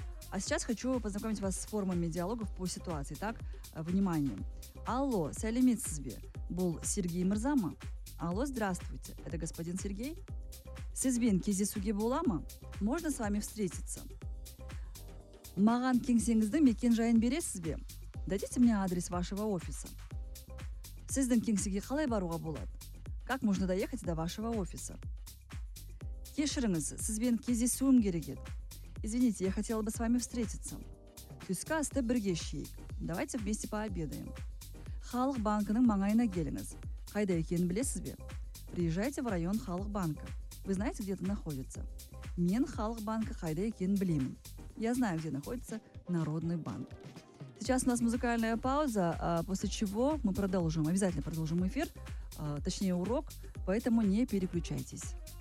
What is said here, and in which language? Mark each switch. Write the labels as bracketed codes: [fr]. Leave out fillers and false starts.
[ru] А сейчас хочу познакомить вас с формами диалогов по ситуации. Итак, внимание. [kk] Алло, сәлеметсізбе? Бұл Сергей Мырзама? [ru] Алло, здравствуйте, это господин Сергей? [kk] Сізбен кездесуге болама? [ru] Можно с вами встретиться? [kk] Маған кеңсеңіздің мекен-жайын бересізбе? [ru] Дадите мне адрес вашего офиса. [kk] Сіздің кеңсеге қалай баруға болады? [ru] Как можно доехать до вашего офиса? [kk] Кешіріңіз, сізбен кездесуім керек еді. [ru] Извините, я хотела бы с вами встретиться. [kk] Түскі асты бірге ішейік. [ru] Давайте вместе пообедаем. [kk] Халық банкының маңайына келіңіз. Қайда екенін білесіз бе? [ru] Приезжайте в район Халық банка. Вы знаете, где это находится? [kk] Мен Халық банка қайда екенін білемін. [ru] Я знаю, где находится Народный банк. Сейчас у нас музыкальная пауза, после чего мы продолжим. Обязательно продолжим эфир, точнее урок, поэтому не переключайтесь.